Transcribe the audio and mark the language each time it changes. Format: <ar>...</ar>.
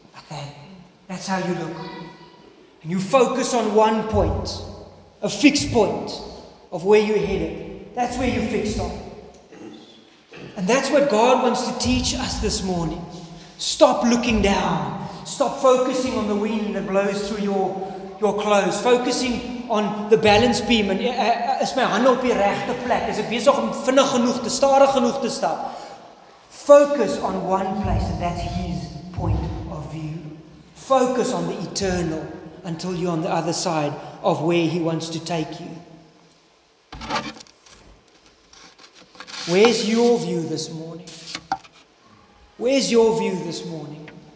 <en>Okay, that's how you look. And you focus on one point, a fixed point of where you're headed. That's where you're fixed on. And that's what God wants to teach us this morning. Stop looking down. Stop focusing on the wind that blows through your clothes. Focusing on the balance beam.</en> <af>And is my hand op die regte plek? Is ek besig om vinnig genoeg te stadig genoeg te stap?</af> <en>Focus on one place, and that's His point of view. Focus on the eternal until you're on the other side of where He wants to take you. Where's your view this morning? Where's your view this morning?</en>